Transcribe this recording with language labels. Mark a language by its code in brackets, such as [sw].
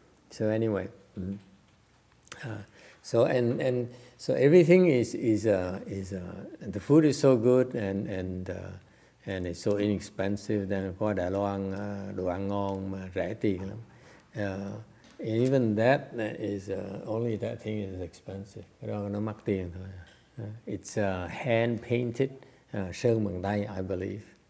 [en] So anyway, so and so everything the food is so good and it's so inexpensive. [vi] Then qua Đài Loan đồ ăn ngon mà rẻ tiền lắm. [en] Even that is only that thing is expensive. [vi] Cái đó nó mắc tiền thôi. [en] It's hand painted, [vi] sơn bằng tay, [en] I believe.